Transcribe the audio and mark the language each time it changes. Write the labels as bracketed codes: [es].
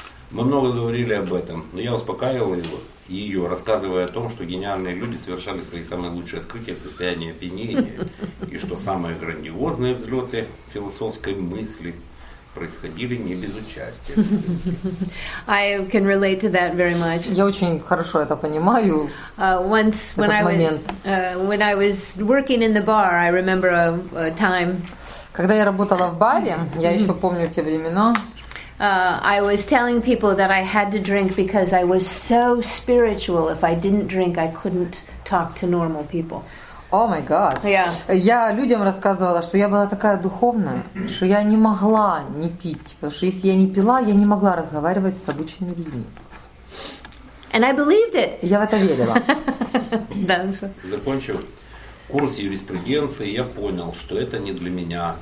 [ru] Мы много говорили об этом, но я успокаивал его. Ее, рассказывая о том, что гениальные люди совершали свои самые лучшие открытия в состоянии опьянения, и что самые грандиозные взлеты философской мысли происходили не без участия. [en] I can relate to that very much. [ru] Я очень хорошо это понимаю. [en] Once when I was working in the bar, I remember a time. [ru] Когда я работала в баре, я еще помню те времена. [en] I was telling people that I had to drink because I was so spiritual. If I didn't drink, I couldn't talk to normal people. Oh my God. Yeah. [ru] Я людям рассказывала, что я была такая духовная, что я не могла не пить, потому что если я не пила, я не могла разговаривать с обычными людьми. [en] And I believed it. [ru] Я в это верила. Дальше. Закончил курс юриспруденции, я понял, что это не для меня.